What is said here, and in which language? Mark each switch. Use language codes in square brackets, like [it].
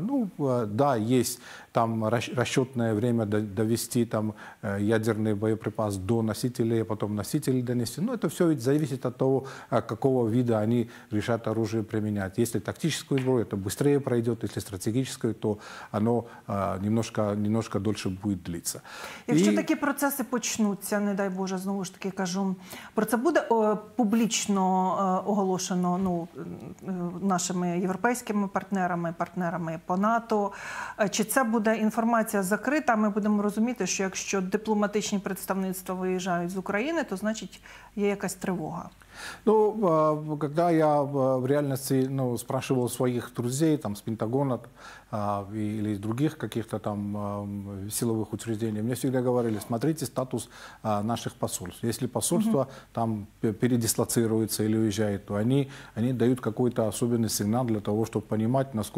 [ru] Ну, да, есть там расчетное время довести там ядерный боеприпас до носителей, потом носители донести. Но это все ведь зависит от того, какого вида они решат оружие применять. Если тактическую сброю, это быстрее пройдет, если стратегическую, то оно немножко дольше будет длиться. [uk] Если такие процессы почнутся, не дай Боже, знову ж таки кажу, про це буде публично оголошено нашими європейськими партнерами по НАТО, чи це буде інформація закрита, ми будемо розуміти, що якщо дипломатичні представництва виїжджають з України, то значить є якась тривога. [ru] Ну, когда я в реальности спрашивал своих друзей там, с Пентагона или из других каких-то там силовых учреждений, мне всегда говорили, смотрите статус наших посольств. Если посольство там передислоцируется или уезжает, то они дают какой-то особенный сигнал для того, чтобы понимать, насколько